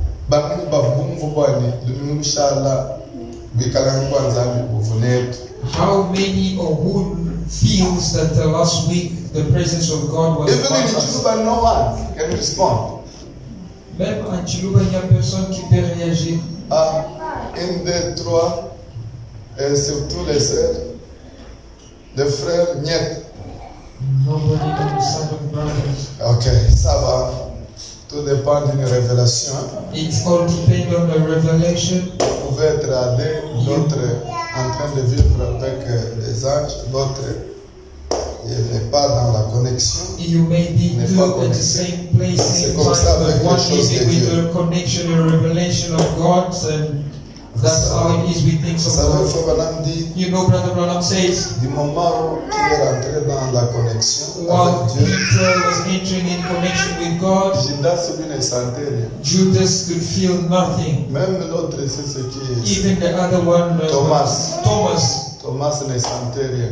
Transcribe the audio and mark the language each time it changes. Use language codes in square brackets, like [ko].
[en] How many of who feels that the last week the presence of God was even in Chiluba, no one can respond. [fr] Même en Chiluba, il y a personne qui peut réagir. Un, deux, trois, et surtout les sœurs, les frères, niet. [en] Nobody can respond to brothers. [fr] Okay, ça va. Tout dépend d'une révélation. [en] It all depends on the revelation. [fr] Vous pouvez être à deux, d'autres en train de vivre avec des anges, d'autres n'est pas dans la connexion. [en] You may be two at the same place. [fr] C'est comme ça avec les choses de Dieu. [en] With the connection and revelation of God, that's how it is with things of God. You know, Brother Branham says, [fr] du moment où tu es rentré dans la connexion avec Dieu, [en] Peter was entering in connection with God, [fr] Judas ne sentait rien. [en] Judas could feel nothing. [fr] Même l'autre, c'est ce qui est. [en] Even the other one, Thomas. Thomas. [fr] Thomas ne sentait rien.